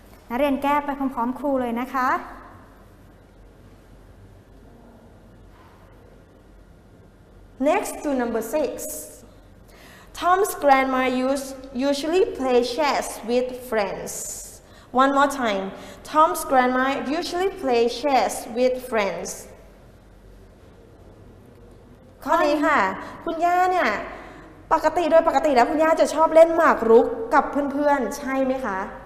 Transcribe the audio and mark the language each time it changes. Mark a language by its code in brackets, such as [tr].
[th] นักเรียนแก้ไปพร้อมๆครูเลยนะคะ [en] next to number 6 Tom's grandma usually play chess with friendsOne more time. Tom's grandma usually play chess with friends. [th] ข้อนี้ค่ะคุณย่าเนี่ยปกติโดยปกติแล้วคุณย่าจะชอบเล่นหมากรุกกับเพื่อนๆใช่ไหมคะ